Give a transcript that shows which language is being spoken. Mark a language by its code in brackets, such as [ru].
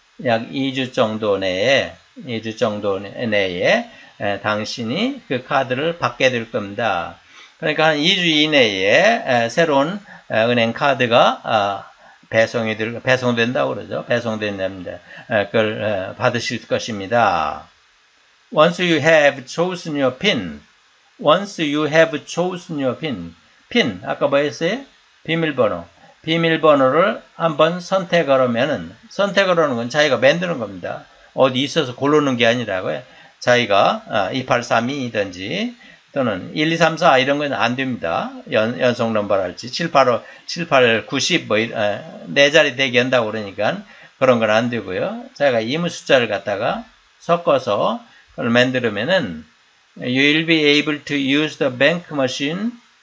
[ko] 약 2주 정도 내에, 2주 정도 내에 당신이 그 카드를 받게 될 겁니다. 그러니까 한 2주 이내에 새로운 은행 카드가 배송된다고 그러죠. 배송된답니다. 그걸 받으실 것입니다. [en] Once you have chosen your PIN, once you have chosen your PIN, PIN [ko] 아까 뭐 했어요? 비밀번호. 비밀번호를 한번 선택을 하는 건 자기가 만드는 겁니다. 어디 있어서 고르는 게 아니라고요. 자기가 2832이든지 또는 1234 이런 건안 됩니다. 연속 넘버랄지 785, 7890뭐네 자리 대기 한다고 그러니까 그런 건안 되고요. 자기가 이무 숫자를 갖다가 섞어서 그걸 만들면은 [en] You'll be able to use the bank machine.